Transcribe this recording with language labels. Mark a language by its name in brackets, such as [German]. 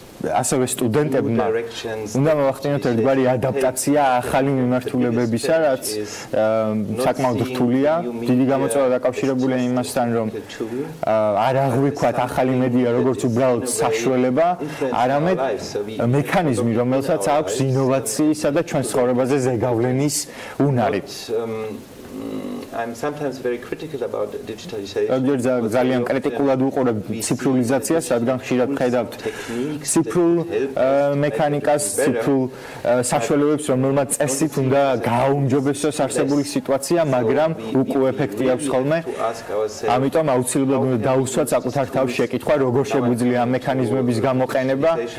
[Georgian] ასევე სტუდენტებმა უნდა მოახდინოთ ერთგვარი ადაპტაცია ახალი მიმართულებებისა, რაც საკმაოდ რთულია. დიდი გამოწვევა დაკავშირებულია იმასთან, რომ არ აღვიქვათ ახალი მედია როგორც უბრალოდ საშუალება, არამედ მექანიზმი, რომელსაც აქვს ინოვაციისა და ჩვენ ცხოვრებაზე ზეგავლენის უნარი. [English] I'm sometimes very critical about digitalization. [Georgian] Ანუ ძალიან კრიტიკულად ვიყურებ ციფრულიზაციას, რადგან ხშირად ვხედავთ ციფრულ მექანიკას, ციფრულ საშუალებებს, რომელმაც წესით უნდა გააუმჯობესოს არსებული სიტუაცია, მაგრამ უკვე ეფექტი აქვს ხოლმე. ამიტომ აუცილებლად უნდა დაუსვათ საკუთარ თავს შეკითხვა, როგორ შეგვიძლია მექანიზმების გამოყენება.